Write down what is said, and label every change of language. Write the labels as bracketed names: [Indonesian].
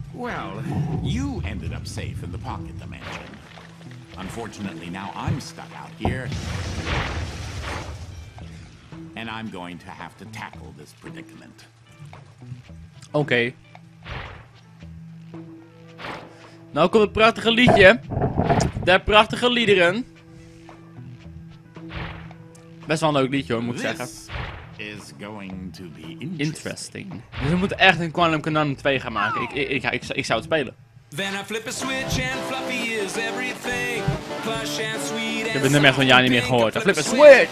[English] Well, you ended up safe in the pocket dimension. Unfortunately, now I'm stuck out here. And I'm going to have to tackle this predicament. Okay. [Dutch] Nou komt het prachtige liedje. De prachtige liederen. Best wel een leuk liedje hoor, moet ik zeggen. [English] Is going to be interesting. [Dutch] Dus we moeten echt een Quantum Conundrum 2 gaan maken. Ik zou het spelen. [English] Then I flip a switch and fluffy is everything. Plush and sweet. [Dutch] Ik heb het nummer van jou niet meer gehoord. [English] I flip a switch.